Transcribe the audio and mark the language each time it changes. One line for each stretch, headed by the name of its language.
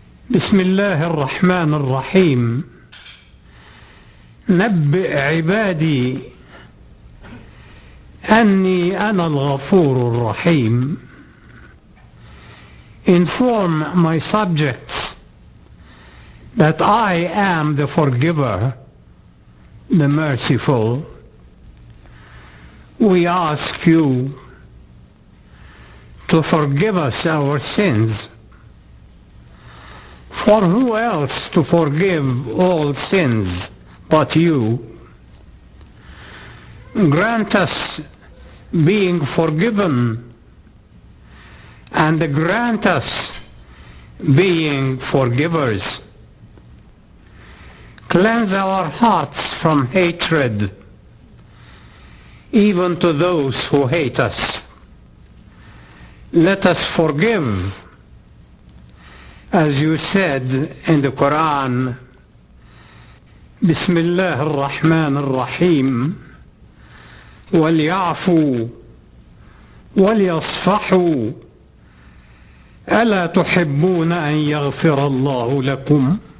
Arabic: بسم الله الرحمن الرحيم. نبئ عبادي أني أنا الغفور الرحيم.
English: Inform my subjects that I am the forgiver, the merciful. We ask you to forgive us our sins. For who else to forgive all sins but you? Grant us being forgiven, and grant us being forgivers. Cleanse our hearts from hatred, even to those who hate us. Let us forgive, as you said in the Quran.
Arabic: Bismillah ar-Rahman ar-Rahim. وليعفوا وليصفحوا ألا تحبون أن يغفر الله لكم.